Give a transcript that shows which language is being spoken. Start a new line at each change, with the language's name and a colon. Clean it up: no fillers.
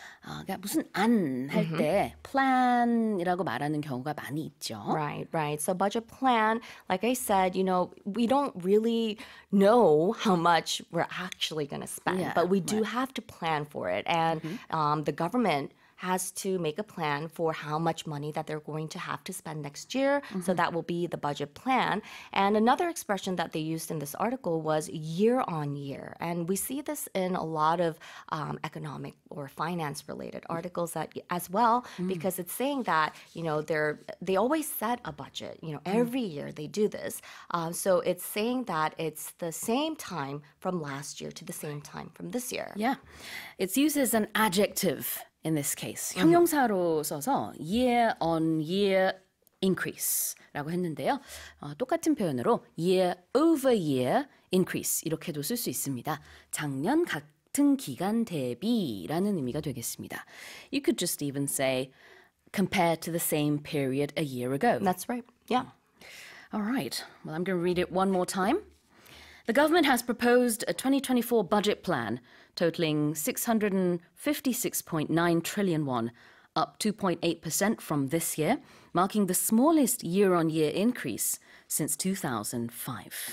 Korean: 그러니까 무슨 안 할 때 plan이라고 말하는 경우가 많이 있죠.
English: Right, right. So budget plan, like I said, you know, we don't really know how much we're actually going to spend, but we do have to plan for it. And the government has to make a plan for how much money that they're going to have to spend next year. Mm-hmm. So that will be the budget plan. And another expression that they used in this article was year on year. And we see this in a lot of economic or finance related articles that as well, because it's saying that, you know, they always set a budget, you know, every year they do this. So it's saying that it's the same time from last year to the same time from this year. Yeah, it's used as an adjective. In this case,
Korean: 형용사로 써서
English: year on year increase라고 했는데요.
Korean: 똑같은 표현으로
English: year over year increase
Korean: 이렇게도 쓸 수 있습니다. 작년 같은 기간 대비라는 의미가 되겠습니다.
English: You could just even say compared to the same period a year ago. That's right. Yeah. All right. Well, I'm going to read it one more time. The government has proposed a 2024 budget plan totaling 656.9 trillion won, up 2.8% from this year, marking the smallest year-on-year increase since 2005.